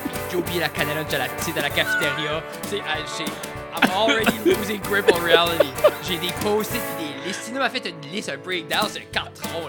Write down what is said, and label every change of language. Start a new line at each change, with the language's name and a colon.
French: j'ai oublié la canette de la petite à la cafétéria.
English: I'm already losing grip on reality.
French: J'ai des post-it et des listes. Sinon, m'a fait une liste, un breakdown, c'est un carton.